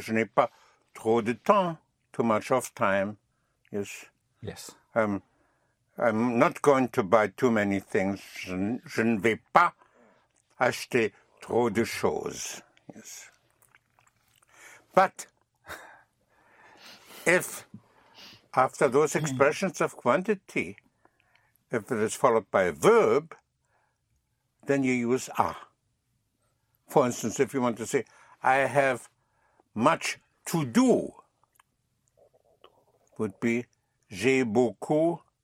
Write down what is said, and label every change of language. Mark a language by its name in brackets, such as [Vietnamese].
[French] Je n'ai pas trop de temps, [English] too much of time. Yes? Yes. I'm not going to buy too many things. [French] Je ne vais pas acheter trop de choses. [English] Yes. But if after those expressions of quantity, if it is followed by a verb, then you use a. For instance, if you want to say, I have much to do, would be [French] j'ai beaucoup